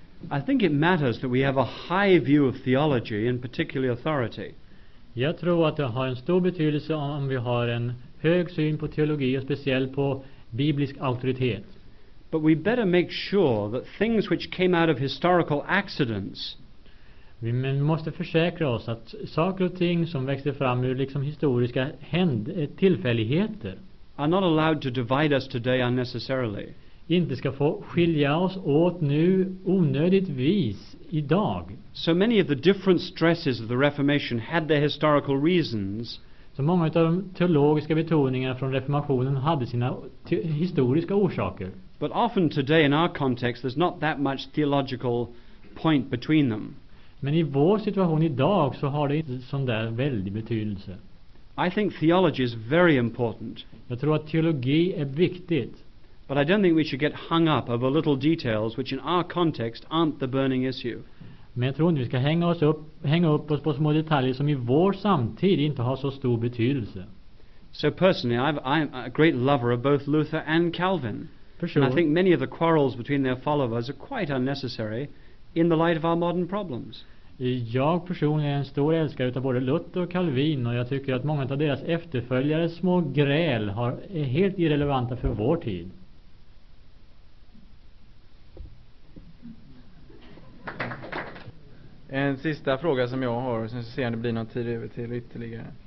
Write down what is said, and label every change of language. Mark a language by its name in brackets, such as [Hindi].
[English] I think it matters that we have a high view of theology and particularly authority. [Swedish] Jag tror att det har en stor betydelse om vi har en hög syn på teologi och speciellt på biblisk auktoritet. [English] But we better make sure that things which came out of historical accidents. [Swedish] Vi måste försäkra oss att saker och ting som växte fram ur liksom historiska tillfälligheter [English] are not allowed to divide us today unnecessarily. [Swedish] Inte ska få skilja oss åt nu onödigtvis idag. [English] So many of the different stresses of the Reformation had their historical reasons. [Swedish] Så många av de teologiska betoningarna från reformationen hade sina historiska orsaker. [English] But often today in our context there's not that much theological point between them. [Swedish] Men i vår situation idag så har det inte sån där väldig betydelse. [English] I think theology is very important. [Swedish] Jag tror att teologi är viktigt. [English] But I don't think we should get hung up over little details which in our context aren't the burning issue. [Swedish] Men jag tror inte vi ska hänga upp oss på små detaljer som i vår samtid inte har så stor betydelse. [English] So personally I'm a great lover of both Luther and Calvin. For sure. And I think many of the quarrels between their followers are quite unnecessary in the light of our modern problems. [Swedish] Jag personligen är en stor älskare av både Luther och Calvin, och jag tycker att många av deras efterföljare små gräl är helt irrelevanta för vår tid. En sista fråga som jag har, sen så ser jag det blir någon tid över till ytterligare.